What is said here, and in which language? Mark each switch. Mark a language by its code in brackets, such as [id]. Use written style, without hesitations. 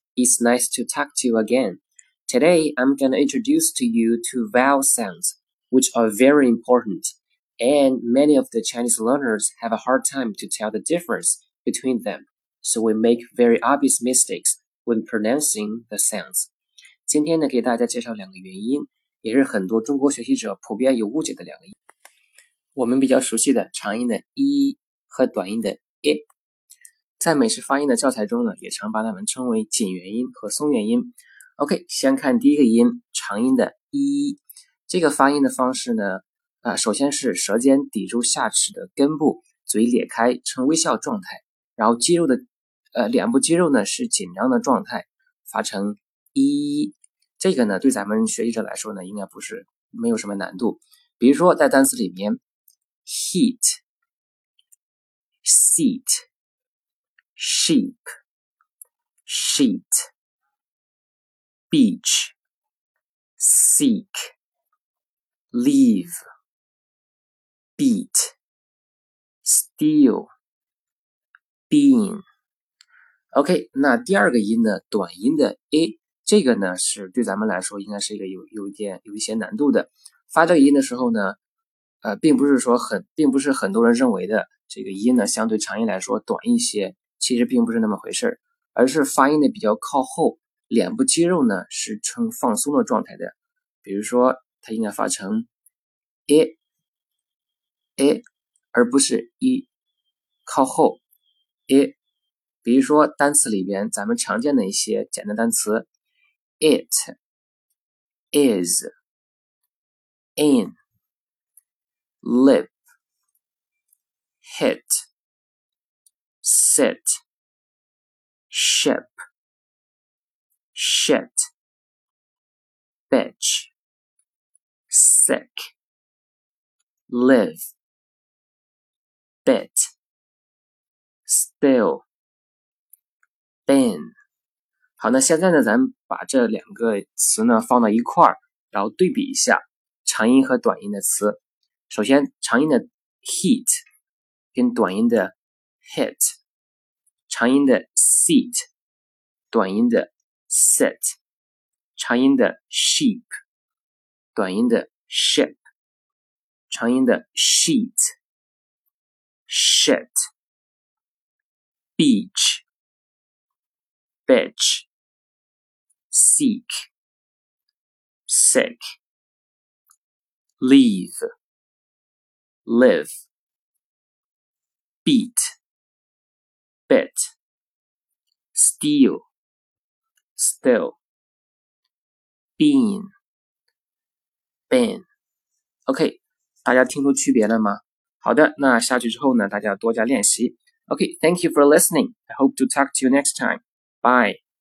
[en] It's nice to talk to you again. Today, I'm going to introduce to you two vowel sounds, which are very important, and many of the Chinese learners have a hard time to tell the difference between them, so we make very obvious mistakes when pronouncing the sounds. [zh] 今天呢，给大家介绍两个元音，也是很多中国学习者普遍有误解的两个音。我们比较熟悉的长音的 e 和短音的 e。在美式发音的教材中呢，也常把它们称为紧元音和松元音。 OK， 先看第一个音，长音的 e， 这个发音的方式呢，首先是舌尖抵住下齿的根部，嘴裂开呈微笑状态，然后肌肉的，脸部肌肉呢是紧张的状态，发成 e。这个呢，对咱们学习者来说呢，应该不是没有什么难度。比如说在单词里面 ，heat， seat。 [en] Sheep, sheet, beach, seek, leave, beat, steal, bean. [zh] OK, 那第二个音呢，短音的 a， 这个呢是对咱们来说应该是一个有一些难度的。发这个音的时候呢，并不是很多人认为的这个音呢，相对长音来说短一些。其实并不是那么回事，而是发音的比较靠后，脸部肌肉呢是呈放松的状态的。比如说它应该发成 a a， 而不是 e， 靠后 a。比如说单词里边咱们常见的一些简单单词 it is in lip [en] hitSit, ship, shit, bitch, sick, live, bit, still, been. [zh] 好，那现在呢，咱们把这两个词呢放到一块儿，然后对比一下长音和短音的词。首先，长音的 heat 跟短音的 hit。长音的 seat， 短音的 sit， 长音的 sheep， 短音的 ship， 长音的 sheet， shit， beach， bitch， seek， sick， leave， live， beat。 [en] Bit, steal, still, been, been. [zh] OK, 大家听出区别了吗？好的，那下去之后呢，大家多加练习。 [en] OK, thank you for listening. I hope to talk to you next time. Bye.